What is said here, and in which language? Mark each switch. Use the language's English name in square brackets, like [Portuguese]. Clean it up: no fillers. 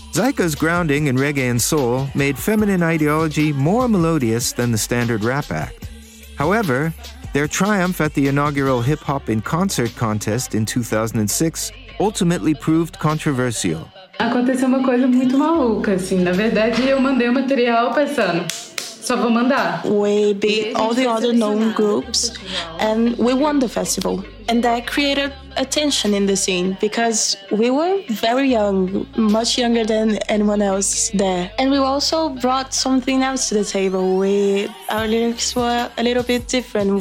[English] Zaika's grounding in reggae and soul made Feminine Ideology more melodious than the standard rap act. However, their triumph at the inaugural Hip Hop in Concert contest in 2006 ultimately proved controversial. [Portuguese] Aconteceu uma coisa muito maluca, assim. Na verdade, eu mandei o material pensando, só vou mandar. [English] We beat all the other known groups and we won the festival. And that created a tension in the scene because we were very young, much younger than anyone else there. And we also brought something else to the table. Our lyrics were a little bit different.